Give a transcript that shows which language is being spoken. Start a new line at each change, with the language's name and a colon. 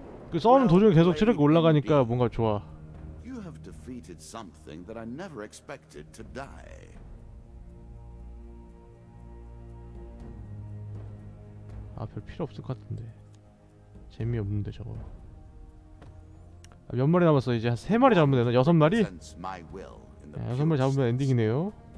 Korean: 그 싸우는 도중에 계속 체력이 올라가니까 뭔가 좋아.
English: You have defeated something that I never expected to die.
Korean: 아 별 필요 없을 것 같은데 재미없는데 저거. 몇 마리 남았어? 이제 세 마리 잡으면 되나? 여섯 마리? 여섯 마리 잡으면 엔딩이네요.